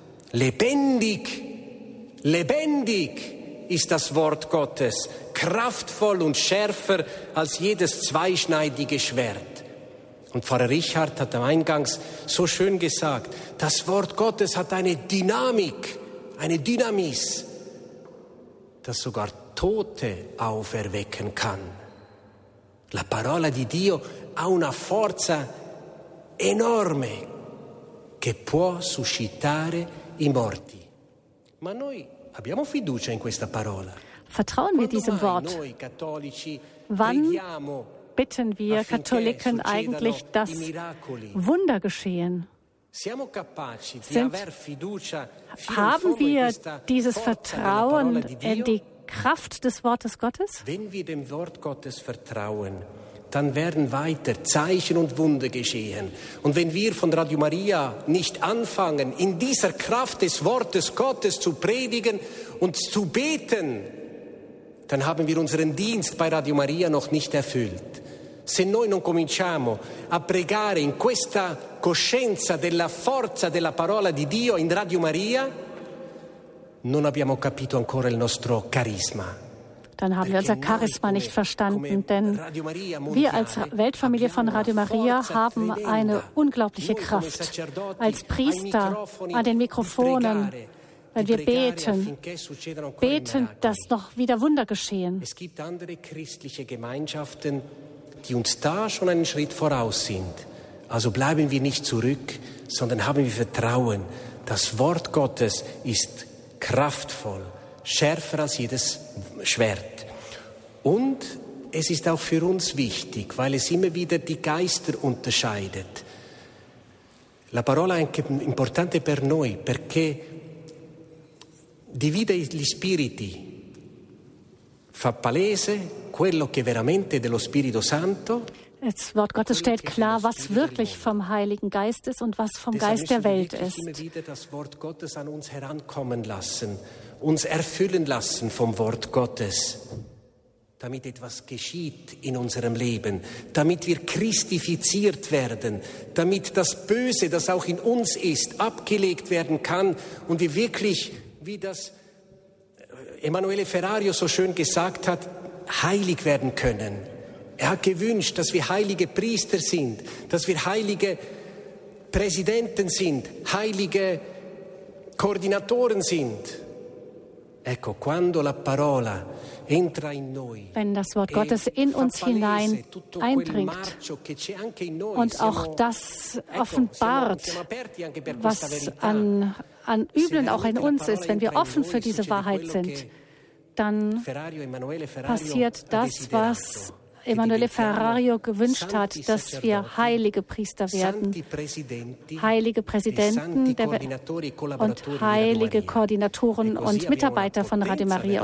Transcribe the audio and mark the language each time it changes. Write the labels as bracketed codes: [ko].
[de] Lebendig, lebendig ist das Wort Gottes, kraftvoll und schärfer als jedes zweischneidige Schwert. Und Pfarrer Richard hat am Eingangs so schön gesagt, das Wort Gottes hat eine Dynamik, eine Dynamis, das sogar Tote auferwecken kann. [it] La parola di Dio ha una forza enorme che può suscitare i morti. Ma noi abbiamo fiducia in questa parola. [de] Vertrauen wir diesem Wort? Wann bitten wir Katholiken eigentlich, dass Wunder geschehen? Haben wir dieses Vertrauen in die Kraft des Wortes Gottes? Wenn wir dem Wort Gottes vertrauen, dann werden weiter Zeichen und Wunder geschehen. Und wenn wir von Radio Maria nicht anfangen, in dieser Kraft des Wortes Gottes zu predigen und zu beten, dann haben wir unseren Dienst bei Radio Maria noch nicht erfüllt. [it] Se noi non cominciamo a pregare in questa coscienza della forza della parola di Dio in Radio Maria, non abbiamo capito ancora il nostro carisma. [de] Dann haben wir unser Charisma nicht verstanden, denn wir als Weltfamilie von Radio Maria haben eine unglaubliche Kraft. Als Priester an den Mikrofonen, wenn wir beten, dass noch wieder Wunder geschehen. Es gibt andere christliche Gemeinschaften, die uns da schon einen Schritt voraus sind. Also bleiben wir nicht zurück, sondern haben wir Vertrauen. Das Wort Gottes ist kraftvoll, schärfer als jedes Schwert. Und es ist auch für uns wichtig, weil es immer wieder die Geister unterscheidet. [it] La parola è anche importante per noi, perché divide gli spiriti, fa palese quello che veramente dello Spirito Santo. [de] Das Wort Gottes stellt klar, was wirklich vom Heiligen Geist ist und was vom Geist der Welt ist. Deshalb müssen wir wieder das Wort Gottes an uns herankommen lassen, uns erfüllen lassen vom Wort Gottes, damit etwas geschieht in unserem Leben, damit wir christifiziert werden, damit das Böse, das auch in uns ist, abgelegt werden kann und wir wirklich, wie das Emanuele Ferrario so schön gesagt hat, heilig werden können. Er hat gewünscht, dass wir heilige Priester sind, dass wir heilige Präsidenten sind, heilige Koordinatoren sind. [it] Ecco, quando la parola entra in noi, [de] wenn das Wort Gottes in uns hinein eindringt und auch das offenbart, was an an Üblen auch in uns ist, wenn wir offen für diese Wahrheit sind, dann passiert das, was Emanuele Ferrario gewünscht hat, dass wir heilige Priester werden, heilige Präsidenten und heilige Koordinatoren und Mitarbeiter von Radio Maria.